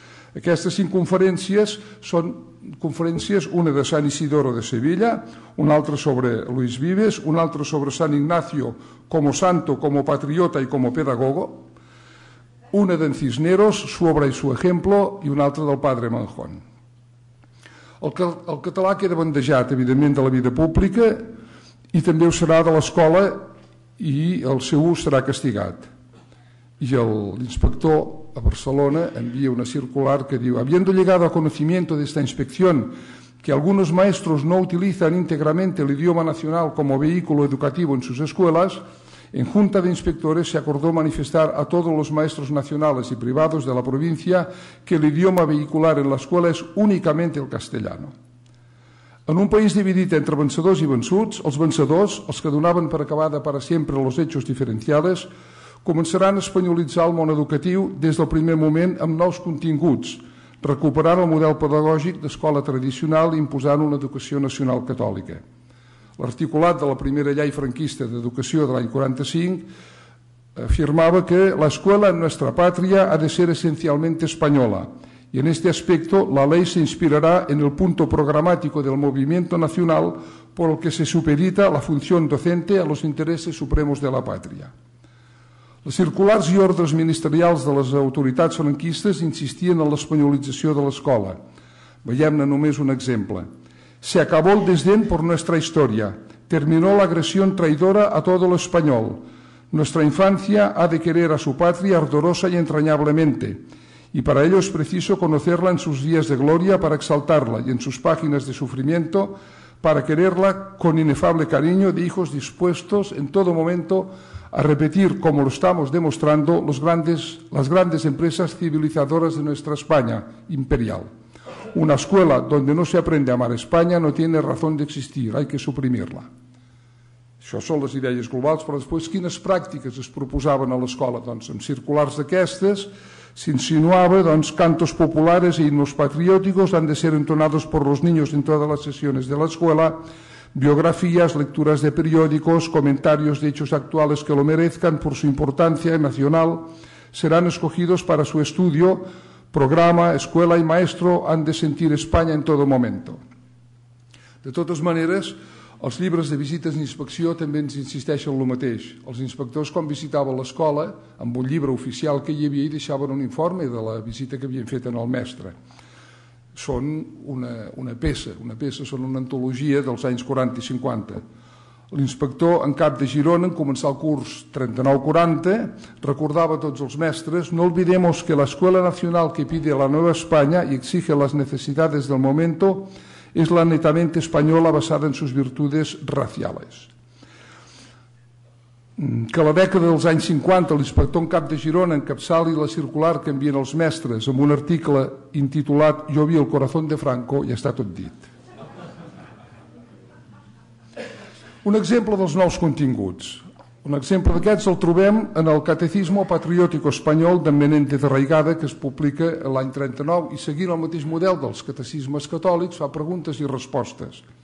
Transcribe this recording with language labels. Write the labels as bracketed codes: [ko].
[ca] Aquestes 5 conferències són conferències, una de Sant Isidoro de Sevilla, una altra sobre Luis Vives, una altra sobre Sant Ignacio [es] como santo, como patriota y como pedagogo, [ca] una d'en Cisneros, [es] su obra y su ejemplo, [ca] i una altra del padre Manjón. El català queda bandejat, evidentment, de la vida pública i també ho serà de l'escola i el seu ús serà castigat. I l'inspector a Barcelona envia una circular que diu: [es] habiendo llegado a conocimiento de esta inspección que algunos maestros no utilizan íntegramente el idioma nacional como vehículo educativo en sus escuelas, en junta de inspectores se acordó manifestar a todos los maestros nacionales y privados de la provincia que el idioma vehicular en la escuela es únicamente el castellano. [ca] En un país dividit entre vencedors i vençuts, els vencedors, els que donaven per acabada per a sempre [es] los hechos diferenciales, [ca] començaran a espanyolitzar el món educatiu des del primer moment amb nous continguts, recuperant el model pedagògic d'escola tradicional i imposant una educació nacional catòlica. L'articulat de la primera llei franquista d'educació de l'any 45 afirmava que l'escola en nostra pàtria ha de ser essencialment espanyola i en aquest aspecte la llei s'inspirarà en el punt programàtic del moviment nacional per el que se supedita la funció [es] docente a los intereses supremos [ca] de la pàtria. Les circulars i ordres ministerials de les autoritats franquistes insistien en l'espanyolització de l'escola. Veiem-ne només un exemple. [es] Se acabó el desdén por nuestra historia. Terminó la agresión traidora a todo lo español. Nuestra infancia ha de querer a su patria ardorosa y entrañablemente. Y para ello es preciso conocerla en sus días de gloria para exaltarla y en sus páginas de sufrimiento para quererla con inefable cariño de hijos dispuestos en todo momento a repetir, como lo estamos demostrando, las grandes empresas civilizadoras de nuestra España imperial. Una escuela donde no se aprende a amar España no tiene razón de existir, hay que suprimirla. [ca] Això són les idees globals, però després quines pràctiques es proposaven a l'escola? Doncs en circulars d'aquestes s'insinuava doncs, [es] cantos populares i himnos patrióticos han de ser entonados por los niños en todas las sesiones de la escuela, biografías, lecturas de periódicos, comentarios de hechos actuales que lo merezcan por su importancia nacional, serán escogidos para su estudio, programa, escuela y maestro han de sentir España en todo momento. [ca] De totes maneres, els llibres de visites i inspecció també ens insisteixen el mateix. Els inspectors, quan visitaven l'escola, amb un llibre oficial que hi havia, hi deixaven un informe de la visita que havien fet al mestre. Són una peça, són una antologia dels anys 40 i 50. L'inspector en cap de Girona, en començar el curs 39-40, recordava a tots els mestres: [es] no olvidemos que la Escuela Nacional que pide la Nueva España y exige las necesidades del momento es la netamente española basada en sus virtudes raciales. [ca] Que la dècada dels anys 50 l'inspector en cap de Girona encapçali la circular que envien els mestres amb un article intitulat «Jo vi [es] el corazón de Franco» [ca] i ja està tot dit. Un exemple dels nous continguts. Un exemple d'aquests el trobem en el Catecismo Patriótico Español de Menéndez Reigada, que es publica l'any 39 i seguint el mateix model dels catecismes catòlics fa preguntes i respostes.